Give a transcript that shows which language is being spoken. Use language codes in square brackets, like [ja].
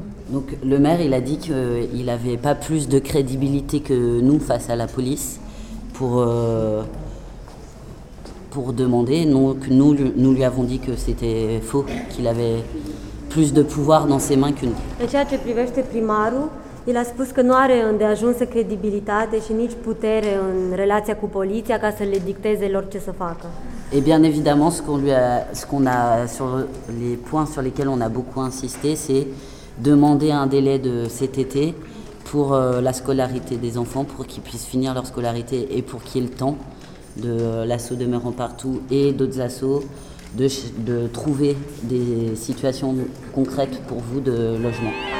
[fr] Donc, le maire, il a dit qu'il n'avait pas plus de crédibilité que nous face à la police pour demander. Donc, nous lui avons dit que c'était faux, qu'il avait plus de pouvoir dans ses mains qu'une. [ro] En ceea ce privește primarul, el a spus că nu are îndeajunsă credibilitate și nici putere în relația cu poliția ca să le dicteze lor ce să facă. [fr] Et bien évidemment, ce qu'on a sur les points sur lesquels on a beaucoup insisté, c'est demander un délai de cet été pour la scolarité des enfants, pour qu'ils puissent finir leur scolarité et pour qu'il y ait le temps de l'asso demeurant partout et d'autres assos de trouver des situations concrètes pour vous de logement.